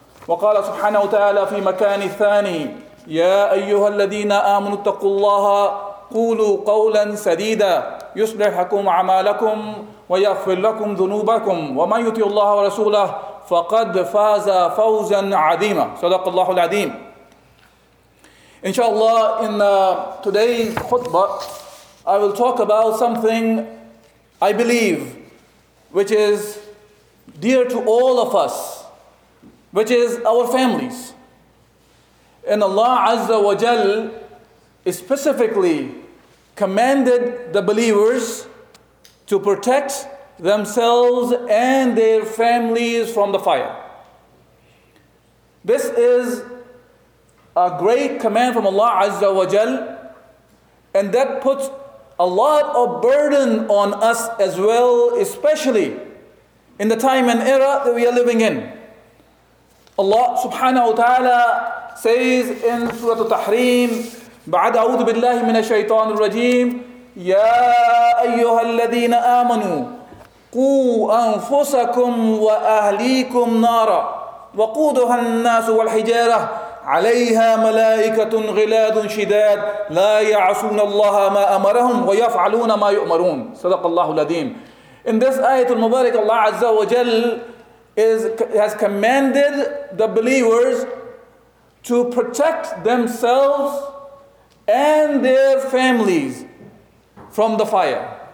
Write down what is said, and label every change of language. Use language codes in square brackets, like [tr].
[ar] وقال سبحانه وتعالى في مكان ثاني يا أيها الذين آمنوا اتقوا الله قولوا قولا سديدا يصلح لكم أعمالكم ويغفر لكم ذنوبكم ومن يطع الله ورسوله فَقَدْ فَازَ فَوْزًا عَظِيمًا صَدَقَ اللَّهُ الْعَظِيمُ [en] Inshallah, in today's khutbah, I will talk about something I believe, which is dear to all of us, which is our families. And Allah Azza wa Jal specifically commanded the believers to protect themselves and their families from the fire. This is a great command from Allah Azza wa Jal, and that puts a lot of burden on us as well, especially in the time and era that we are living in. Allah subhanahu wa ta'ala says in Surah Tahrim, [ar] بعد أعوذ بالله من الشيطان الرجيم يا أيها الذين آمنوا قوا أنفسكم وأهليكم نارا وقودها الناس والحجارة عليها ملائكة غلاظ شداد لا يعصون الله ما أمرهم ويفعلون ما يؤمرون صدق الله العظيم. [en] In this ayatul mubarak, Allah Azza wa Jal has commanded the believers to protect themselves and their families from the fire.